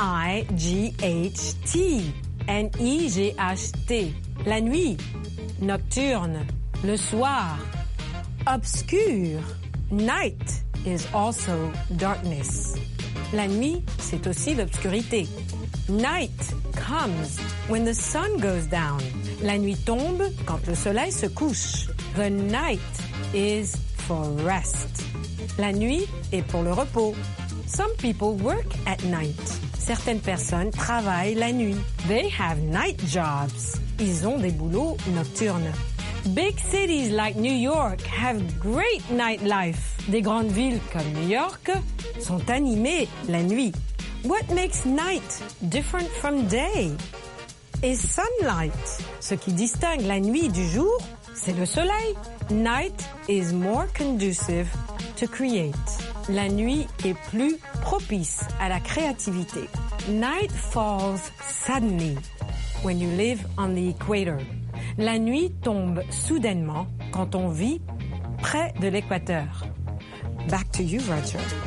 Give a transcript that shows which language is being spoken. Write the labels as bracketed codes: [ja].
[fr] N-I-G-H-T. N-I-G-H-T. La nuit. Nocturne. Le soir. Obscur. [en] Night is also darkness. [fr] La nuit, c'est aussi l'obscurité. [en] Night comes when the sun goes down. [fr] La nuit tombe quand le soleil se couche. [en] The night is for rest. [fr] La nuit est pour le repos. [en] Some people work at night. [fr] Certaines personnes travaillent la nuit. [en] They have night jobs. [fr] Ils ont des boulots nocturnes. [en] Big cities like New York have great nightlife. [fr] Des grandes villes comme New York sont animées la nuit. [en] What makes night different from day? Is sunlight. [fr] Ce qui distingue la nuit du jour, c'est le soleil. [en] Night is more conducive to create. [fr] La nuit est plus propice à la créativité. [en] Night falls suddenly when you live on the equator. [fr] La nuit tombe soudainement quand on vit près de l'équateur. [en] Back to you, Roger.